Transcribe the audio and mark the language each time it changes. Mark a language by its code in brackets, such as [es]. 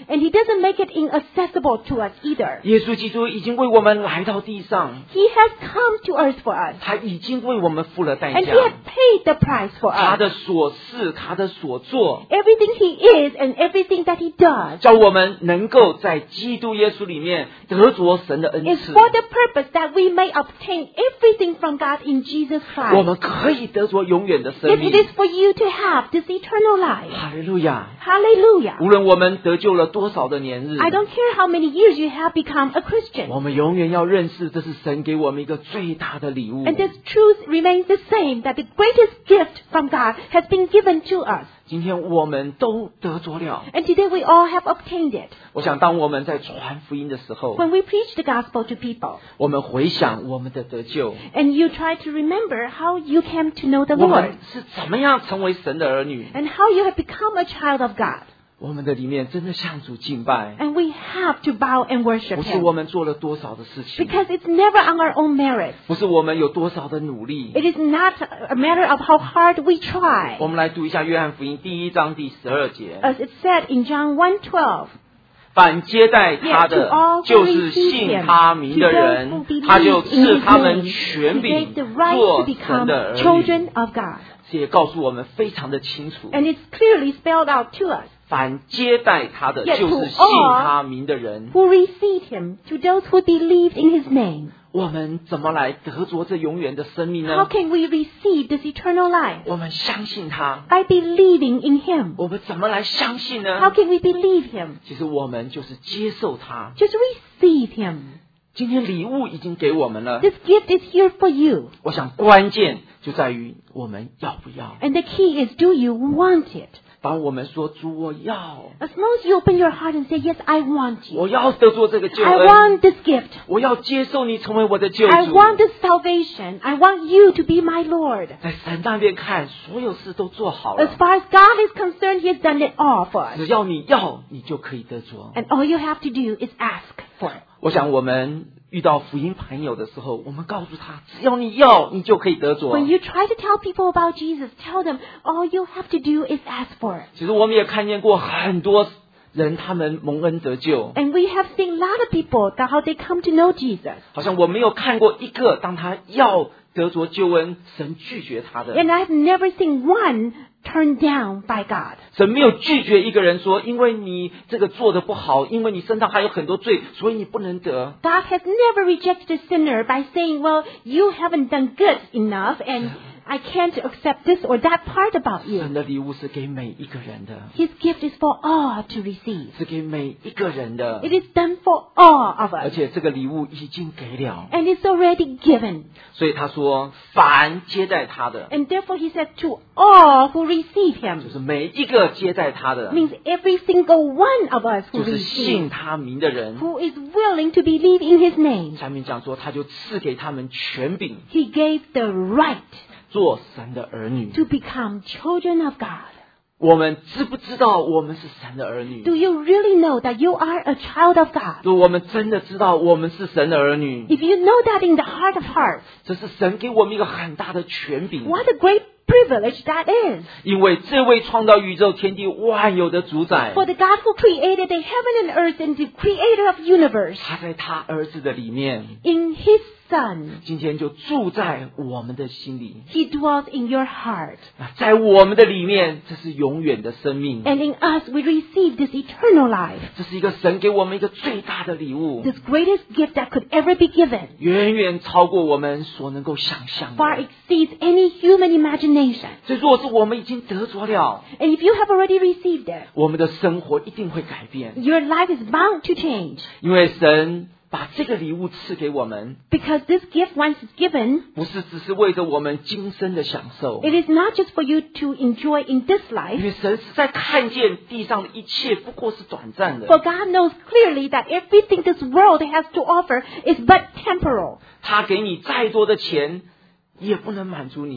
[en] And he doesn't make it inaccessible to us either. [zh] 耶稣基督已经为我们来到地上。 [en] He has come to earth for us. [zh] 他已经为我们付了代价。 [en] And he has paid the price for us. [zh] 他的所事，他的所做。 [en] Everything he is and everything that he does. [zh] 叫我们能够在基督耶稣里面得着神的恩赐。 [en] It's for the purpose that we may obtain everything from God in Jesus Christ. [zh] 我们可以得着永远的生命。 [en] It is for you to have this eternal life. Hallelujah. Hallelujah. [zh] 无论我们得救了多少的年日。 [en] I don't care how many years you have become a Christian. [zh] 我们永远要认识，这是神给我们一个最大的礼物。 [en] And this truth remains the same, that the greatest gift from God has been given to us. [zh] 今天我们都得着了。 [en] And today we all have obtained it. [zh] 我想当我们在传福音的时候。 [en] When we preach the gospel to people. [zh] 我们回想我们的得救。 [en] And you try to remember how you came to know the Lord. [zh] 我们是怎么样成为神的儿女。 [en] And how you have become a child of God. [zh] 我们的里面真的向主敬拜。 [en] And we have to bow and worship him. [zh] 不是我们做了多少的事情。 [en] Because it's never on our own merit. [zh] 不是我们有多少的努力。 [en] It is not a matter of how hard we try. [zh] 我们来读一下约翰福音第一章第十二节。 [en] As it said in John 1:12. [zh] 凡接待他的就是信他名的人他就赐他们权柄做神的儿女这也告诉我们非常的清楚 [en] And it's clearly spelled out to us. [zh] 凡接待他的就是信他名的人 [en] who received him, to those who believed in his name. [zh] 我们怎么来得着这永远的生命呢 [en] ？How can we receive this eternal life？ [zh] 我们相信他。 [en] By believing in him。 [zh] 我们怎么来相信呢 [en] ？How can we believe him？ [zh] 其实我们就是接受他。 [en] Just receive him。 [zh] 今天礼物已经给我们了。 [en] This gift is here for you。 [zh] 我想关键就在于我们要不要。 [en] And the key is, do you want it？ [zh] 把我们说主我要 [en] As long as you open your heart and say yes I want you [zh] 我要得着这个救恩 [en] I want this gift [zh] 我要接受你成为我的救主 [en] I want this salvation I want you to be my Lord [zh] 在神那边看所有事都做好了 [en] As far as God is concerned he has done it all for us [zh] 只要你要你就可以得着 [en] And all you have to do is ask for it [zh] 我想我们遇到福音朋友的时候我们告诉他只要你要你就可以得着 [en] When you try to tell people about Jesus tell them all you have to do is ask for it [zh] 其实我们也看见过很多人他们蒙恩得救 [en] And we have seen a lot of people that how they come to know Jesus [zh] 好像我没有看过一个当他要得着救恩神拒绝他的 [en] And I've never seen one turned down by God [zh] 神没有拒绝一个人说因为你这个做得不好因为你身上还有很多罪所以你不能得 [en] God has never rejected a sinner by saying well you haven't done good enough and I can't accept this or that part about you [zh] 神的礼物是给每一个人的 [en] His gift is for all to receive [zh] 是给每一个人的 [en] It is done for all of us [zh] 而且这个礼物已经给了 [en] And it's already given [zh] 所以他说凡接待他的 [en] And therefore he said to all who receive him [zh] 就是每一个接待他的 [en] Means every single one of us who receive [zh] 就是信他名的人 [en] Who is willing to believe in his name [zh] 下面讲说他就赐给他们权柄 [en] He gave the right [zh] 做神的儿女 [en] to become children of God [zh] 我们知不知道我们是神的儿女 [en] do you really know that you are a child of God [zh] 如果我们真的知道我们是神的儿女 [en] if you know that in the heart of hearts [zh] 这是神给我们一个很大的权柄 [en] what a great privilege that is [zh] 因为这位创造宇宙天地万有的主宰 [en] for the God who created the heaven and earth and the creator of universe [zh] 他在他儿子的里面 [en] in his son Son, [zh] 今天就住在我们的心里 [en] He dwells in your heart [zh] 在我们的里面这是永远的生命 [en] And in us we receive this eternal life [zh] 这是一个神给我们一个最大的礼物 [en] This greatest gift that could ever be given [zh] 远远超过我们所能够想象的 [en] Far exceeds any human imagination [zh] 所以若是我们已经得着了 [en] And if you have already received it [zh] 我们的生活一定会改变 [en] Your life is bound to change [zh] 因为神把这个礼物赐给我们 [en] Because this gift once is given [zh] 不是只是为着我们今生的享受 [en] It is not just for you to enjoy in this life [zh] 因为神是在看见地上的一切不过是短暂的 [en] For God knows clearly that everything this world has to offer is but temporal [zh] 他给你再多的钱也不能满足你